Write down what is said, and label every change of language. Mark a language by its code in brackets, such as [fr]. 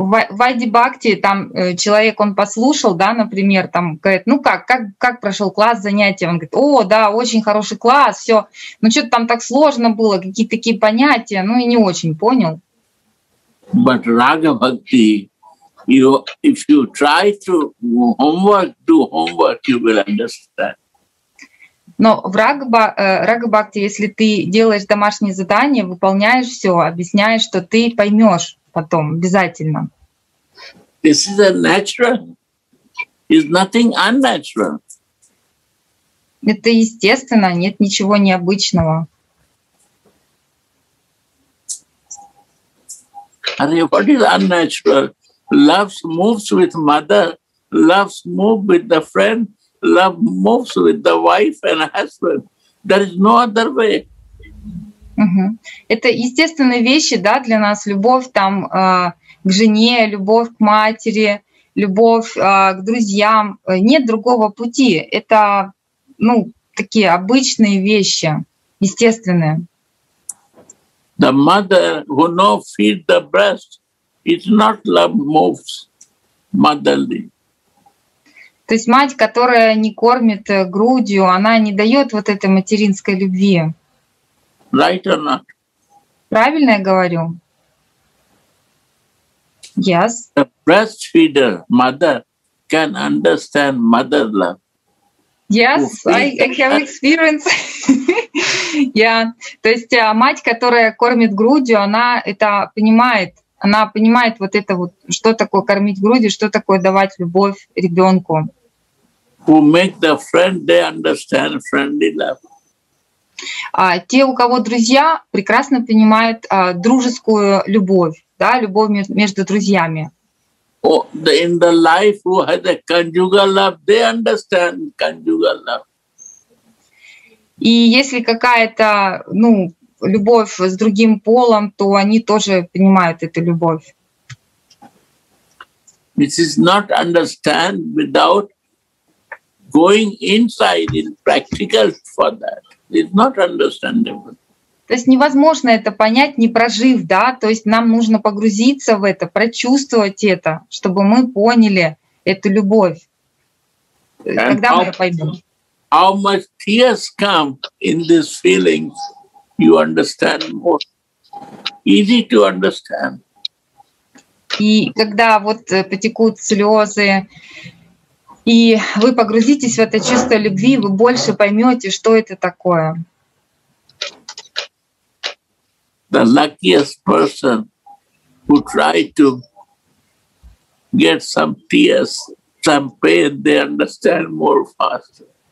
[ru] Вайди Бхакти, там человек, он послушал, да, например, там говорит, ну как прошел класс занятия? Он говорит, о, да, очень хороший класс, все. Ну что-то там так сложно было, какие-то такие понятия, ну и не очень понял. [en] But Raga Bhakti, you, if you try to do homework, you will understand. [ru] Но в Рага-бхакти, если ты делаешь домашнее задание, выполняешь все, объясняешь, что ты поймешь потом обязательно. [en] This is a natural. It's nothing unnatural. [ru] Это естественно, нет ничего необычного. [en] And what is unnatural? Love moves with mother, love moves with the friend. Love moves with the wife and husband. There is no other way. [ru] Это естественные вещи, да, для нас. Любовь там к жене, любовь к матери, любовь к друзьям. Нет другого пути. Это, ну, такие обычные вещи, естественные. [en] The mother who now feeds the breast, it's not love moves motherly. [ru] То есть мать, которая не кормит грудью, она не дает вот этой материнской любви. [en] Right or not? [ru] Правильно я говорю? [en] Yes. The breastfeeder mother can understand mother love. Yes, I have experience. Yeah. [ru] То есть мать, которая кормит грудью, она это понимает. Она понимает вот это вот, что такое кормить грудью, что такое давать любовь ребенку. [en] Who make the friend, they understand friendly love. [ru] Те, у кого друзья, прекрасно понимают дружескую любовь, да, любовь между друзьями. [en] Oh, in the life who has a conjugal love, they understand conjugal love. [ru] И если какая-то, ну, любовь с другим полом, то они тоже понимают эту любовь. [en] It is not understand without going inside is practical for that. It's not understandable. [ru] То есть невозможно это понять, не прожив, да? То есть нам нужно погрузиться в это, прочувствовать это, чтобы мы поняли эту любовь. [en] And [ru] когда мы поймем? [en] How much tears come in this feeling, you understand more. Easy to understand. [ru] И когда вот потекут слезы. И вы погрузитесь в это чувство любви, вы больше поймете, что это такое. [en] The luckiest person who tried to get some tears, some pain, they understand more faster.